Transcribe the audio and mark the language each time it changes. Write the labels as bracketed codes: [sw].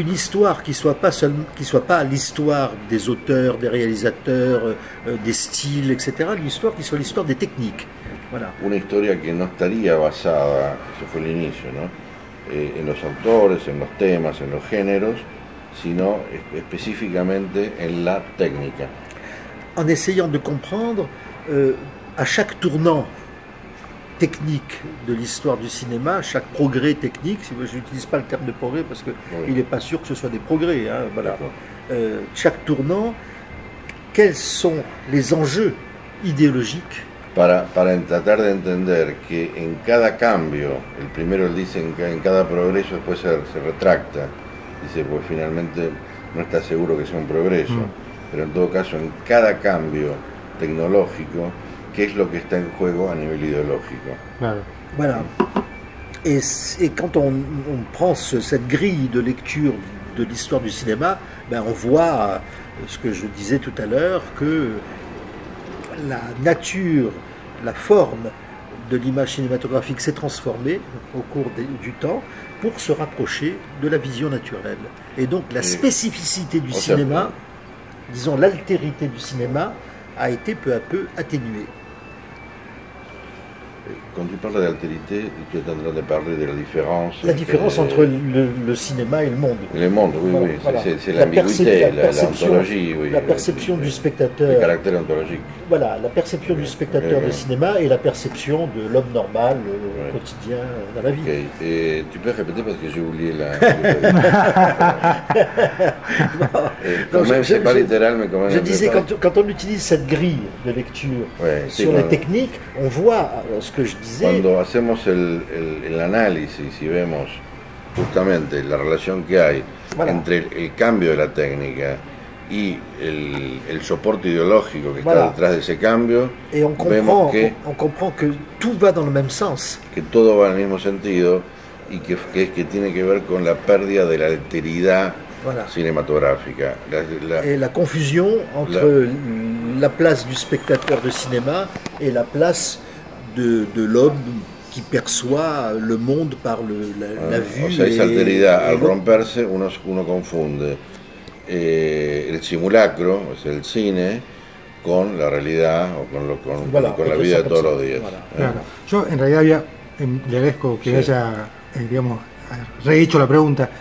[fr] Une histoire qui soit pas l'histoire des auteurs, des réalisateurs, des styles, etc. Une histoire qui soit l'histoire des techniques. Voilà. [es] Una historia que no estaría basada, eso fue el inicio, ¿no? En los autores, en los temas, en los géneros, sino específicamente en la técnica. [fr] En essayant de comprendre à chaque tournant technique de l'histoire du cinéma, chaque progrès technique, si je n'utilise pas le terme de progrès parce que oui. Il n'est pas sûr que ce soit des progrès, hein, voilà. D'accord. chaque tournant, quels sont les enjeux idéologiques. [es] Para tratar de entender que en cada cambio, el primero él dice en cada progreso, después se retracta, dice pues finalmente no está seguro que sea un progreso, pero en todo caso en cada cambio tecnológico, ¿qué es lo que está en juego a nivel ideológico? Claro. [fr] Bueno, et quand on prend cette grille de lecture de l'histoire du cinéma, ben on voit ce que je disais tout à l'heure, que la nature, la forme de l'image cinématographique s'est transformée au cours du temps pour se rapprocher de la vision naturelle. Et donc la spécificité du cinéma, disons l'altérité du cinéma, a été peu à peu atténuée. Quand tu parles d'altérité, tu es en train de parler de la différence. La différence entre le cinéma et le monde. Le monde, oui, voilà. C'est l'ambiguïté, l'ontologie, oui. La perception du spectateur. Le caractère ontologique. Voilà, la perception du spectateur de cinéma et la perception de l'homme normal quotidien dans la vie. [en] Okay. [fr] Et tu peux répéter parce que j'ai oublié la. littéral, mais quand même. Je disais, quand on utilise cette grille de lecture sur les techniques, on voit. Que je disais, [es] cuando hacemos el análisis y vemos justamente la relación que hay entre el cambio de la técnica y el soporte ideológico que está detrás de ese cambio, vemos que [fr] tout va dans le même sens. [es] Que todo va en el mismo sentido y que tiene que ver con la pérdida de la alteridad cinematográfica. La confusión entre [fr] la place du spectateur de cinéma et la place de l'homme qui perçoit le monde par la vue. [es] O sea, esa alteridad, al romperse, uno confunde el simulacro, o sea, el cine, con la realidad o con la vida de todos los días. Yo, en realidad, le agradezco que haya, digamos, rehecho la pregunta.